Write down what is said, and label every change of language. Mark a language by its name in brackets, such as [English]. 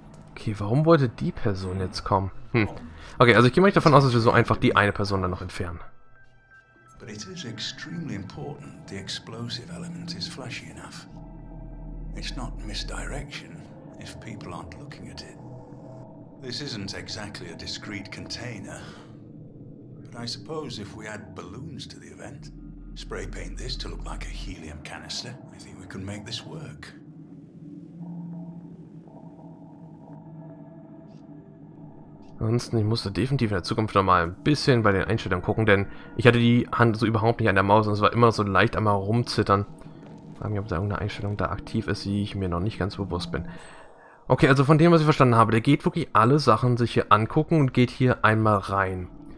[German] Okay, warum wollte die Person jetzt kommen? Okay, also ich gehe mal davon aus, dass wir so einfach die eine Person dann noch entfernen. [English] But it is extremely important the explosive element is flashy enough. It's not misdirection if people aren't looking at it. This isn't exactly a discreet container. But I suppose if we add balloons to the event, spray paint this to look like a helium canister, I think we can make this work. [German] Ansonsten, ich musste definitiv in der Zukunft nochmal ein bisschen bei den Einstellungen gucken, denn ich hatte die Hand so überhaupt nicht an der Maus und es war immer so leicht einmal rumzittern. Ich frage mich, ob da irgendeine Einstellung da aktiv ist, die ich mir noch nicht ganz bewusst bin. Okay, also von dem, was ich verstanden habe, der geht wirklich alle Sachen sich hier angucken und geht hier einmal rein.